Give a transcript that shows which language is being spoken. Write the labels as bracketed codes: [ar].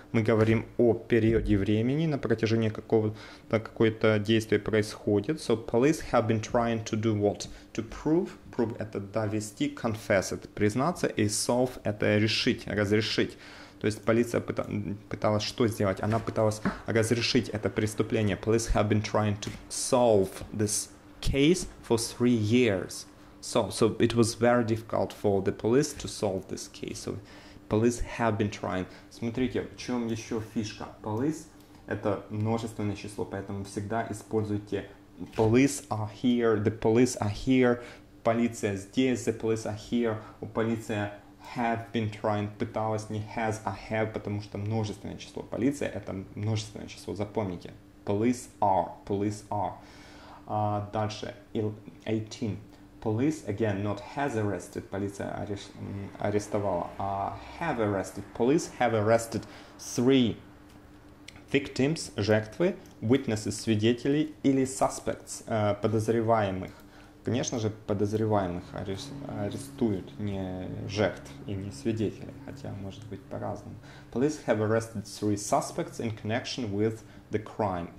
[ru] Мы говорим о периоде времени, на протяжении какого-то какое-то действие происходит. [en] So police have been trying to do what? [ru] To prove. Prove – это довести, confess – это признаться. И solve – это решить, разрешить. То есть полиция пыталась что сделать? Она пыталась разрешить это преступление. [en] Police have been trying to solve this case for 3 years. So it was very difficult for the police to solve this case. So police have been trying. [ru] Смотрите, в чем еще фишка? Police – это множественное число, поэтому всегда используйте police are here, the police are here, полиция здесь, the police are here, у полиции have been trying, пыталась, не has, а have, потому что множественное число. Полиция – это множественное число, запомните. [en] Police are, police are. Дальше, 18. Police, again, not has arrested, полиция арестовала, а have arrested. Police have arrested 3 victims, жертвы, witnesses, свидетели, или suspects, подозреваемых. [ru] Конечно же, подозреваемых арестуют, не жертв и не свидетелей, хотя может быть по-разному. [en] Police have arrested 3 suspects in connection with the crime.